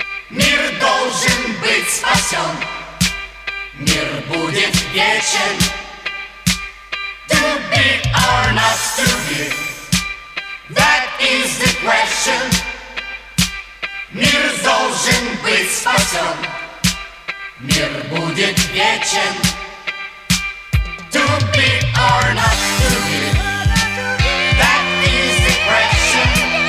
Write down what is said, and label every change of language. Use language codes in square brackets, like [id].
[ru] Мир должен быть спасен, мир будет вечен. [en] To be or not to be, that is the question. [ru] Мир должен быть спасен, мир будет вечен. [en] To be or not to be, that is the question.